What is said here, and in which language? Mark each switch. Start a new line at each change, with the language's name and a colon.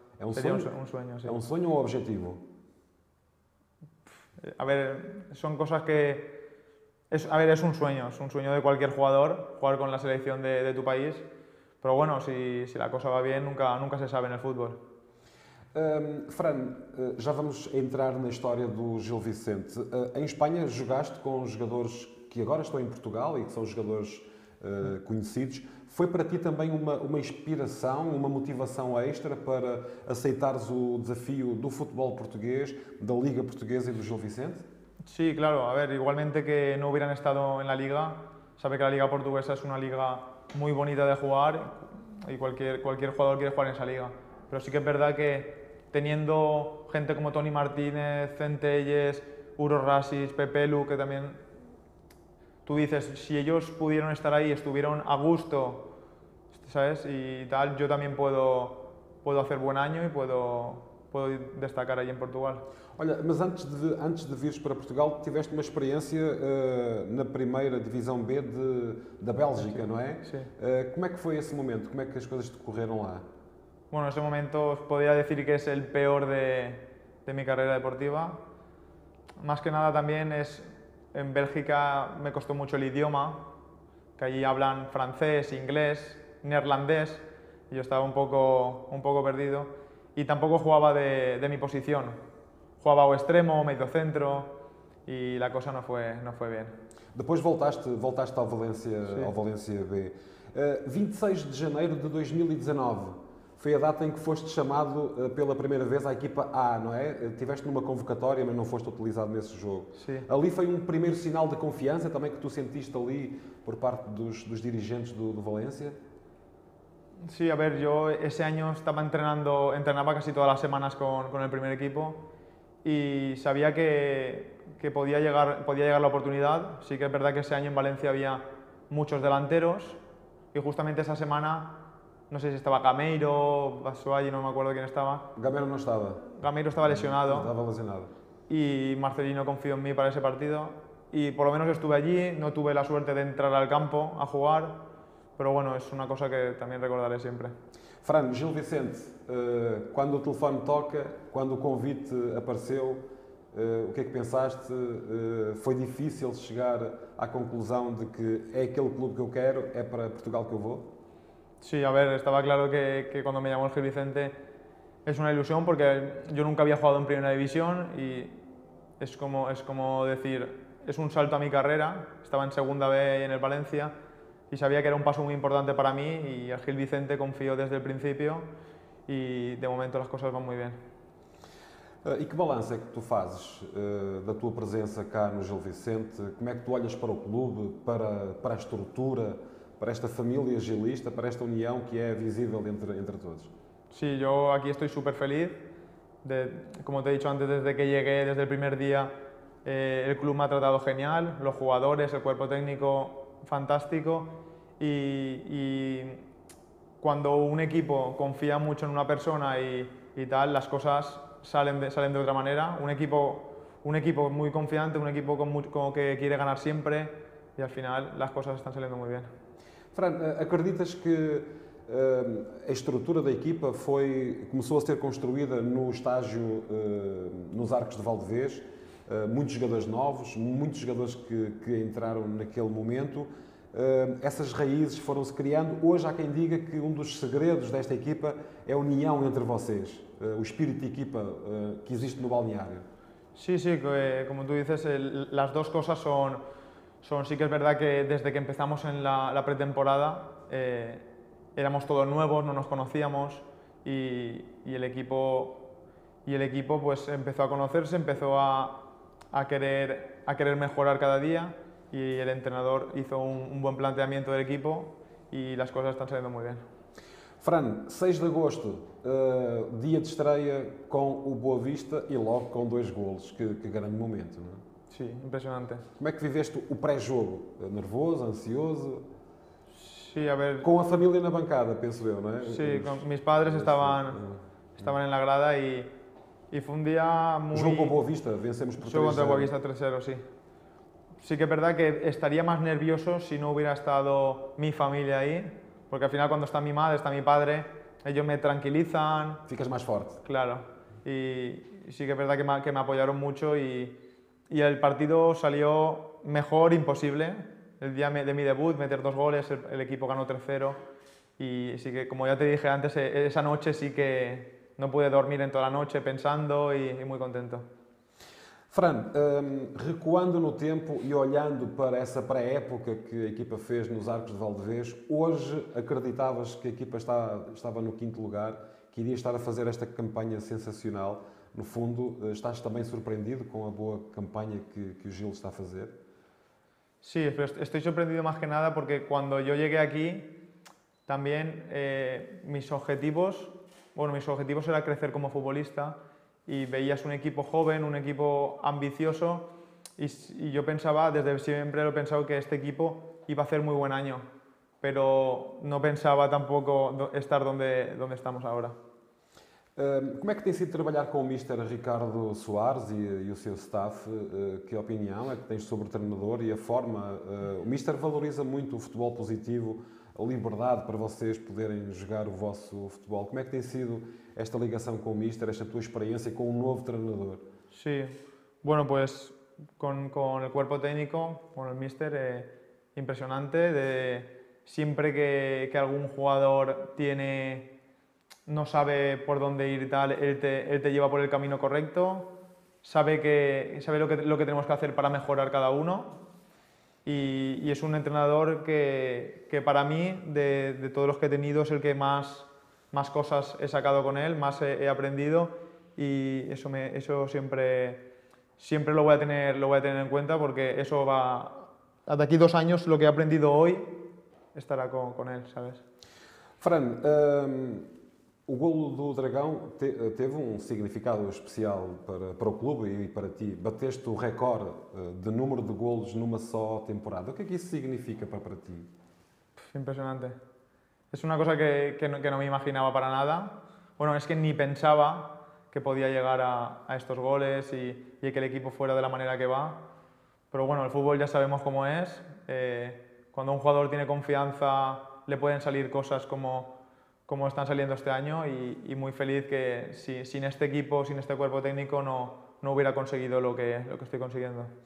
Spanish: ¿Es un sueño? Sería un sueño, sí. ¿Es un sueño o objetivo? A ver, son cosas que... Es un sueño de cualquier jugador, jugar con la selección de tu país. Pero bueno, si la cosa va bien, nunca se sabe en el fútbol.
Portuguese: Fran, já vamos entrar na história do Gil Vicente. Em Espanha jogaste com jogadores que agora estão em Portugal e que são jogadores conhecidos. Foi para ti também uma inspiração, uma motivação extra para aceitares o desafio do futebol português, da Liga Portuguesa e do Gil Vicente?
Spanish: Sí, claro. A ver, igualmente que no hubieran estado en la Liga, sabe que la Liga Portuguesa es una liga muy bonita de jugar y cualquier jugador quiere jugar en esa liga. Pero sí que es verdad que teniendo gente como Toni Martínez, Centelles, Uro Rasis, Pepelu, que también... Tú dices, si ellos pudieron estar ahí, estuvieron a gusto, ¿sabes? Y tal, yo también puedo hacer buen año y puedo destacar ahí en Portugal.
Portuguese: Olha, mas antes de vires para Portugal, tiveste uma experiência na primeira divisão B da Bélgica, sim, não é? Sim. Como é que foi esse momento? Como é que as coisas te correram lá? Bom, bueno, esse momento, poderia dizer que é o pior de minha carreira deportiva. Mais que nada, também, em Bélgica, me custou muito o idioma, que aí falam francês, inglês, neerlandês, e eu estava um pouco perdido. E tampouco jogava de minha posição. Jogava ao extremo, meio centro, e a coisa não foi bem. Depois voltaste ao Valência, sim, ao Valência B. 26 de janeiro de 2019 foi a data em que foste chamado pela primeira vez à equipa A, não é? Tiveste numa convocatória, mas não foste utilizado nesse jogo. Sim. Ali foi um primeiro sinal de confiança também que tu sentiste ali por parte dos dirigentes do Valência? Sim, a ver, eu esse ano estava treinava quase todas as semanas com o primeiro equipo.
Spanish: Y sabía que podía llegar la oportunidad. Sí que es verdad que ese año en Valencia había muchos delanteros y justamente esa semana, no sé si estaba Gameiro, Basuay, no me acuerdo quién estaba. Gameiro no estaba. Gameiro estaba lesionado. Estaba lesionado. Y Marcelino confió en mí para ese partido. Y por lo menos estuve allí, no tuve la suerte de entrar al campo a jugar, pero bueno, es una cosa que también recordaré siempre.
Portuguese: Fran, Gil Vicente, quando o telefone toca, quando o convite apareceu, o que é que pensaste? Foi difícil chegar à conclusão de que é aquele clube que eu quero, é para Portugal que eu vou? Sim, sí, a ver, estava claro que quando me chamou Gil Vicente é uma ilusão, porque eu nunca havia jogado em primeira divisão e é como dizer, é um salto à minha carreira. Estava em segunda B em Valencia.
Spanish: Y sabía que era un paso muy importante para mí y el Gil Vicente confió desde el principio y de momento las cosas van muy bien. ¿Y qué balance es que tú haces de tu presencia acá en Gil Vicente? ¿Cómo es que tú
Portuguese: olhas
Spanish: para el club, para la estructura, para esta familia gilista, para esta unión que es visible entre todos? Sí, yo aquí estoy súper feliz. Como te he dicho antes, desde que llegué, desde el primer día, el club me ha tratado genial, los jugadores, el cuerpo técnico, fantástico, y cuando un equipo confía mucho en una persona y tal, las cosas salen de otra manera. Un equipo muy confiante, un equipo que quiere ganar siempre, y al final las cosas están saliendo muy bien.
Portuguese: Fran, ¿acreditas que a estrutura da equipa começou a ser construída no estágio nos Arcos de Valdevez? Muitos jogadores novos, muitos jogadores que entraram naquele momento. Essas raízes foram-se criando. Hoje há quem diga que um dos segredos desta equipa é a união entre vocês, o espírito de equipa que existe no balneário. Sim, sí, sim, sí, como tu dices, as duas coisas são... Sim, sí que é verdade que desde que começamos na pretemporada éramos todos novos, não nos conocíamos e o equipo pues, começou a conhecer-se, começou a querer
Spanish: mejorar cada día, y el entrenador hizo un buen planteamiento del equipo y las cosas están saliendo muy bien. Fran, 6 de agosto, día de estreia con el Boa Vista y luego con 2 golos. Qué grande momento, ¿no? Sí, impresionante. ¿Cómo es que
Portuguese: viveste
Spanish: el pré-jogo?
Portuguese: ¿Nervoso, ansioso?
Spanish: Sí, a ver... Con la familia en la bancada, pienso yo, ¿no? Sí, mis padres estaban en la grada y...
Portuguese: E foi um dia muito... Jogo com Boa Vista, vencemos por 3-0. Jogo contra Boa Vista 3-0, sim. Sim que é verdade que estaria mais
Spanish: nervioso se não hubiera
Portuguese: estado minha família aí. Porque, afinal, quando está minha mãe, está meu padre, eles me tranquilizam. Ficas mais forte. Claro. E sim que é verdade que me apoiaram muito. E o partido saiu melhor, impossível. O dia de meu debut, meter 2 goles, o equipo ganou 3-0. E sim que, como já
Spanish: te dije antes,
Portuguese: essa noite sim que...
Spanish: no pude dormir en toda la noche pensando y muy contento.
Portuguese: Fran, recuando no tempo e olhando para essa pré-época que a equipa fez nos Arcos de Valdevez, hoje acreditavas que a equipa estava no quinto lugar, que iria estar a fazer esta campanha sensacional? No fundo, estás também surpreendido com a boa campanha que o Gil está a fazer?
Spanish: Sí, pero estoy sorprendido más que nada porque cuando yo llegué aquí, también mis objetivos era crecer como futbolista y veías un equipo joven, un equipo ambicioso y yo pensaba, desde siempre lo he pensado, que este equipo iba a hacer muy buen año, pero no pensaba tampoco estar donde estamos ahora.
Portuguese: Como é que tem sido trabalhar com o Mister Ricardo Soares e o seu staff? Que opinião é que tens sobre o treinador e a forma? O Mister valoriza muito o futebol positivo, a liberdade para vocês poderem jogar o vosso futebol. Como é que tem sido esta ligação com o Mister, esta tua experiência com um novo treinador? Sim, sí. Bueno, pues com o
Spanish: cuerpo técnico,
Portuguese: com o Mister, é impressionante. Sempre que algum jugador tem.
Spanish: No sabe por dónde ir y tal, él te lleva por el camino correcto, sabe lo que tenemos que hacer para mejorar cada uno y es un entrenador que para mí, de todos los que he tenido, es el que más cosas he sacado con él, más he aprendido y eso siempre lo voy a tener en cuenta porque eso va, hasta aquí dos años lo que he aprendido hoy estará con él, ¿sabes?
Portuguese: Fran, o golo do Dragão teve um significado especial para o clube e para ti. Bateste o recorde de número de golos numa só temporada. O que é que isso significa para ti? Impressionante. É uma coisa que não me imaginava para nada.
Spanish: Bueno, es que ni pensaba que
Portuguese: podia chegar
Spanish: a estos goles
Portuguese: e que o
Spanish: equipo fuera de la manera que va. Pero bueno, el fútbol ya sabemos cómo es. Cuando un jugador tiene confianza, le pueden salir cosas como están saliendo este año y muy feliz que sin este equipo, sin este cuerpo técnico, no hubiera conseguido lo que estoy consiguiendo.